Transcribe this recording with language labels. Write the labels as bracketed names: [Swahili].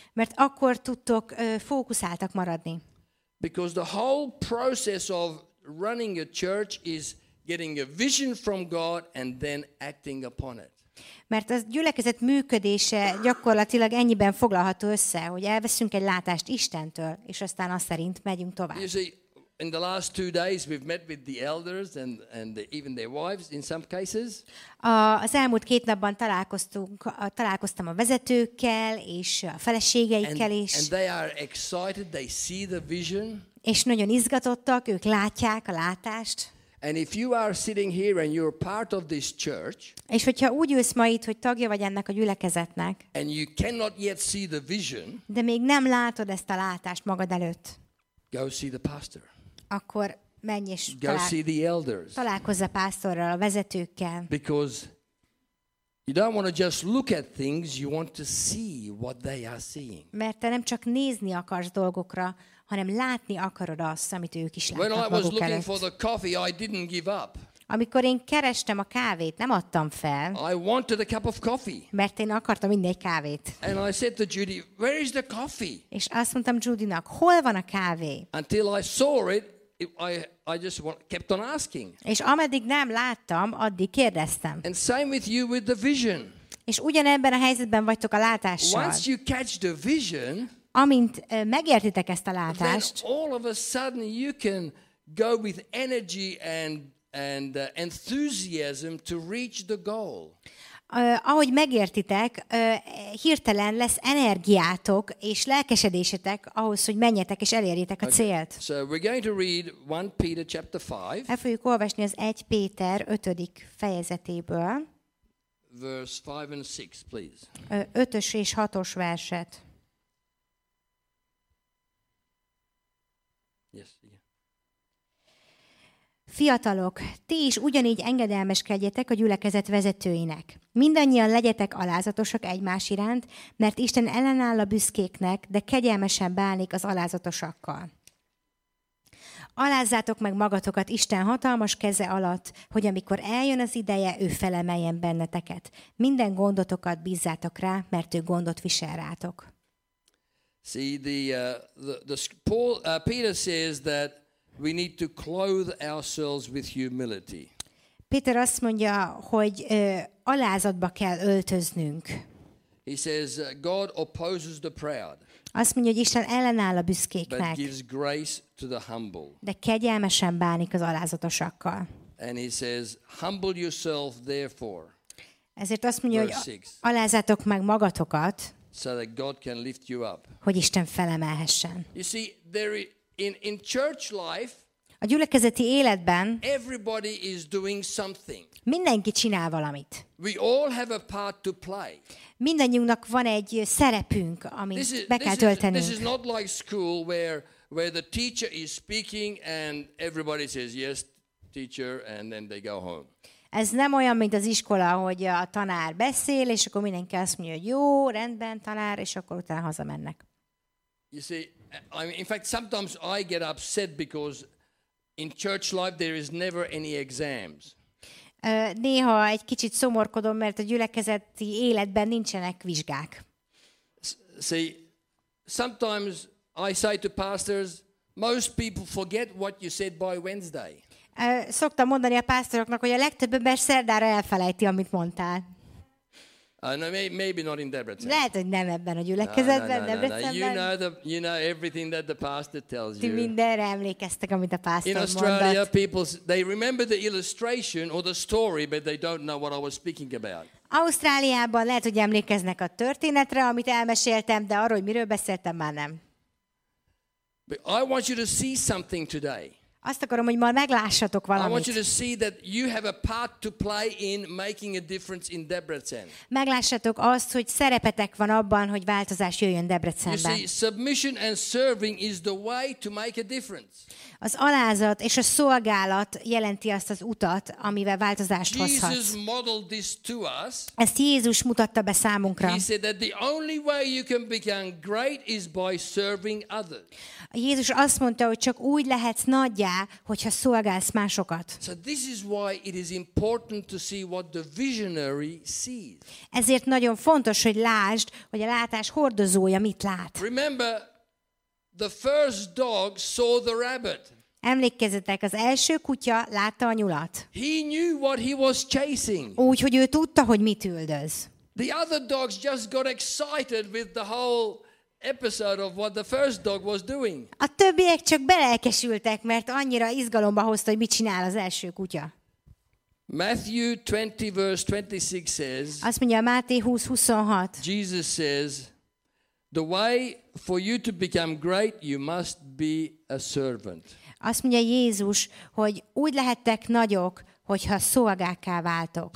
[Hungarian] Mert akkor tudtok fókuszáltak maradni. [English] Because the whole process of running a church is getting a vision from God and then acting upon it. [Hungarian] Mert a gyülekezet működése gyakorlatilag ennyiben foglalható össze, hogy elveszünk egy látást Istentől, és aztán azt szerint megyünk tovább. [English] You see, in the last two days we've met with the elders and even their wives in some cases. [Hungarian] Az elmúlt két napban találkoztam a vezetőkkel és a feleségeikkel is. [English] And they are excited, they see the vision. [Hungarian] És nagyon izgatottak, ők látják a látást. [English] And if you are sitting here and you're part of this church, [Hungarian] és hogyha úgy ülsz ma itt, hogy tagja vagy ennek a gyülekezetnek, [English] and you cannot yet see the vision, [Hungarian] de még nem látod ezt a látást magad előtt, [English] go see the pastor. [Hungarian] Akkor menj és találkozz a pásztorral, a vezetőkkel. [English] Because you don't want to just look at things, you want to see what they are seeing. [Hungarian] Mert te nem csak nézni akarsz dolgokra, hanem látni akarod azt, amit ők is látnak. [English] When I was looking for the coffee, I didn't give up. [Hungarian] Amikor én kerestem a kávét, nem adtam fel. [English] I wanted a cup of coffee. [Hungarian] Mert én akartam inni egy kávét. [English] And I said to Judy, "Where is the coffee?" [Hungarian] És azt mondtam Judynak, hol van a kávé? [English] Until I saw it, I just kept on asking. [Hungarian] És ameddig nem láttam, addig kérdeztem. [English] And same with you with the vision. [Hungarian] És ugyanebben a helyzetben vagytok a látással. [English] Once you catch the vision, [Hungarian] amint megértitek ezt a látást, [English] then all of a sudden you can go with energy and enthusiasm to reach the goal. [Hungarian] Ahogy megértitek, hirtelen lesz energiátok és lelkesedésetek ahhoz, hogy menjetek és elérjétek a célt. [English] Okay. So we're going to read 1 Peter chapter 5. [Hungarian] El fogjuk olvasni az 1 Péter 5. fejezetéből. [English] Verse 5 and 6, please. [Hungarian] 5-ös és 6-os verset. [English] Yes. [Hungarian] Fiatalok, ti is ugyanígy engedelmeskedjetek a gyülekezet vezetőinek. Mindannyian legyetek alázatosak egymás iránt, mert Isten ellenáll a büszkéknek, de kegyelmesen bánik az alázatosakkal. Alázzátok meg magatokat Isten hatalmas keze alatt, hogy amikor eljön az ideje, ő felemeljen benneteket. Minden gondotokat bízzátok rá, mert ő gondot visel rátok. [English] See, Peter says that we need to clothe ourselves with humility. [Hungarian] Peter azt mondja, hogy alázatba kell öltöznünk. [English] He says God opposes the proud. [Hungarian] Azt mondja, hogy Isten ellenáll a büszkéknek. [English] But gives grace to the humble. [Hungarian] De kegyelmesen bánik az alázatosakkal. [English] And he says humble yourself therefore. [Hungarian] Ezért azt mondja, hogy alázzátok meg magatokat. [English] So that God can lift you up. [Hungarian] Hogy Isten felemelhessen. [English] You see, there In church life, [Hungarian] a gyülekezeti életben [English] everybody is doing something. [Hungarian] Mindenki csinál valamit. [English] We all have a part to play. [Hungarian] Mindannyiunknak van egy szerepünk, amit be kell töltenünk. [English] This is not like school where the teacher is speaking and everybody says yes, teacher, and then they go home. [Hungarian] Ez nem olyan, mint az iskola, hogy a tanár beszél, és akkor mindenki azt mondja, hogy jó, rendben, tanár, és akkor utána hazamennek. [English] You see, I mean, in fact, sometimes I get upset because in church life there is never any exams. [Hungarian] Néha egy kicsit szomorkodom, mert a gyülekezeti életben nincsenek vizsgák. [English] See, sometimes I say to pastors, most people forget what you said by Wednesday. [Hungarian] Szoktam mondani a pásztoroknak, hogy a legtöbb ember szerdára elfelejti, amit mondtál. [English] No, maybe not in Debrecen. [Hungarian] Lehet, hogy nem ebben a gyülekezetben, Debrecenben. [English] You know everything that the pastor tells you. [Hungarian] Ti mindenre emlékeztek, amit a pásztor mondott. [English] In Australia, people they remember the illustration or the story, but they don't know what I was speaking about. [Hungarian] Ausztráliában lehet, hogy emlékeznek a történetre, amit elmeséltem, de arról, hogy miről beszéltem, már nem. [English] But I want you to see something today. [Hungarian] Azt akarom, hogy ma meglássatok valamit. [English] I want you to see that you have a part to play in making a difference in Debrecen. [Hungarian] Meglássatok azt, hogy szerepetek van abban, hogy változás jöjjön Debrecenben. [English] You see, submission and serving is the way to make a difference. [Hungarian] Az alázat és a szolgálat jelenti azt az utat, amivel változást hozhat. [English] Jesus modeled this to us. [Hungarian] Ezt Jézus mutatta be számunkra. [English] He said that the only way you can become great is by serving others. [Hungarian] Jézus azt mondta, hogy csak úgy lehetsz nagy, hogyha szolgálsz másokat. [English] So this is why it is important to see what the visionary sees. [Hungarian] Ezért nagyon fontos, hogy lásd, hogy a látás hordozója mit lát. [English] Remember, the first dog saw the rabbit. [Hungarian] Emlékezzetek, az első kutya látta a nyulat. [English] He knew what he was chasing. [Hungarian] Úgy, hogy ő tudta, hogy mit üldöz. [English] The other dogs just got excited with the whole episode of what the first dog was doing. [Hungarian] A többiek csak belelkesültek, mert annyira izgalomba hozta, hogy mit csinál az első kutya. [English] Matthew 20 verse 26 says. [Hungarian] Azt mondja, Máté 20:26. [English] Jesus says, the way for you to become great, you must be a servant. [Hungarian] Azt mondja Jézus, hogy úgy lehettek nagyok, hogyha szolgákká váltok.